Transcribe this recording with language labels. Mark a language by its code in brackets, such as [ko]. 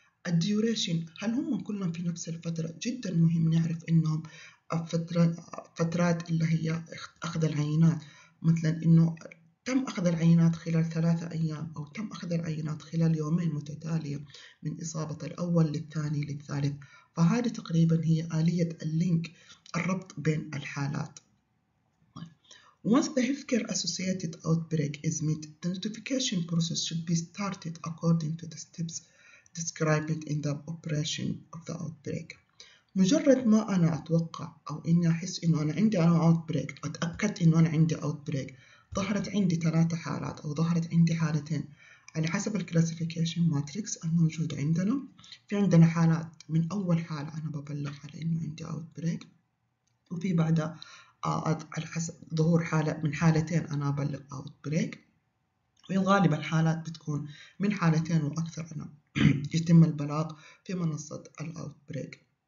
[ar] الديوريشن، هل هم كلهم في نفس الفتره؟ جدا مهم نعرف انهم فترات اللي هي اخذ العينات، مثلا انه تم أخذ العينات خلال 3 أيام أو تم أخذ العينات خلال يومين متتالية من إصابة الأول للثاني للثالث. فهذه تقريبا هي آلية اللينك، الربط بين الحالات. [en] Once the healthcare associated outbreak is met, the notification process should be started according to the steps described in the operation of the outbreak. [ar] مجرد ما أنا أتوقع أو إني أحس إنه أنا عندي outbreak، أتأكد إنه أنا عندي outbreak، ظهرت عندي 3 حالات أو ظهرت عندي حالتين على حسب الكلاسيفيكيشن ماتريكس الموجود عندنا. في عندنا حالات من أول حالة أنا ببلغ على إنه عندي أوت بريك، وفي بعدها على حسب ظهور حالة من حالتين أنا أبلغ أوت بريك، وغالب الحالات بتكون من حالتين وأكثر أنا يتم البلاغ في منصة الأوت بريك.